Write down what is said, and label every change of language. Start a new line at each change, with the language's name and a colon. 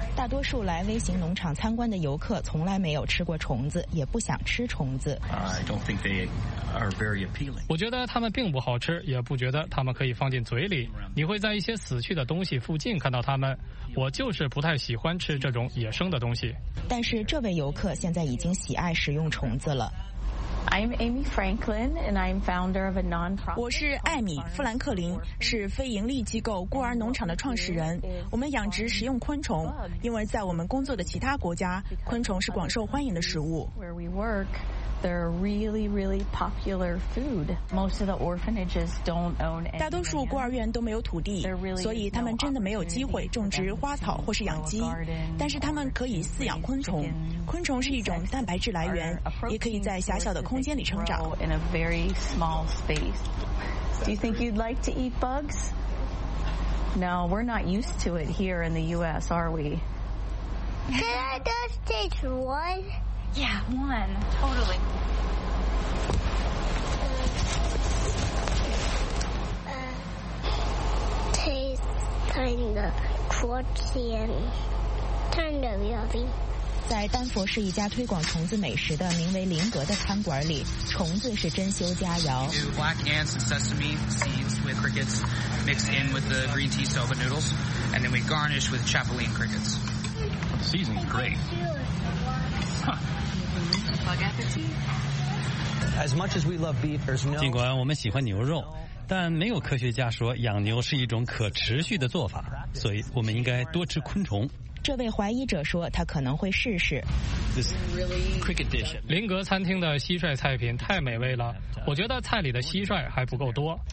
Chinese: 大多数来微型农场参观的游客从来没有吃过虫子，也不想吃虫子。我觉得它们并不好吃，也不觉得它们可以放进嘴里。你会在一些死去的东西附近看到它们。我就是不太喜欢吃这种野生的东西。但是这位游客现在已经喜爱食用虫子了。
English: I'm Amy Franklin and I'm founder of a non-profit.
Chinese: 我是艾米·富兰克林，是非盈利机构孤儿农场的创始人。我们养殖食用昆虫，因为在我们工作的其他国家，昆虫是广受欢迎的食物。
English: Where we work, they're really, really popular food. Most of the orphanages don't own any.
Chinese: 大多数孤儿院都没有土地，所以他们真的没有机会种植花草或是养鸡。但是他们可以饲养昆虫，昆虫是一种蛋白质来源，也可以在狭小的空间里成长。
English: In a very small space. Do you think you'd like to eat bugs? No, we're not used to it here in the U.S., are we? Can I just take one? Yeah, one. Totally. Tastes kind of crunchy and kind of yummy.
Chinese: 在丹佛市一家推广虫子美食的名为林格的餐馆里，虫子是珍馐佳肴。
English: Black ants and sesame seeds with crickets mixed in with the green tea soba noodles, and then we garnish with chapaline crickets. Seasoning great. Bug appetit. As much as we love beef, there's no.
Chinese: 尽管我们喜欢牛肉。但没有科学家说养牛是一种可持续的做法，所以我们应该多吃昆虫。这位怀疑者说他可能会试试。林格餐厅的蟋蟀菜品太美味了，我觉得菜里的蟋蟀还不够多。